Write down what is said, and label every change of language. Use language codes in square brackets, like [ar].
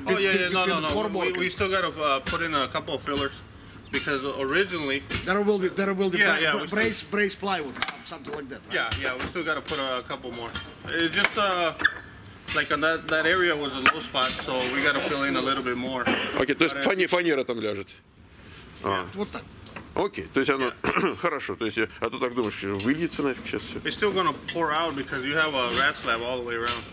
[en] No. We still got to put in a couple of fillers because originally there will be brace plywood, something like that. Right? Yeah. We still got to put a couple more. It's just like on that area was a low spot, so we got to fill in a little bit more. Okay. [ru] То есть фанера там ляжет. Вот так. Окей, то есть оно хорошо, то есть а то так думаешь, выльется нафиг сейчас все. [en] It's still gonna pour out because you have a rat slab all the way around.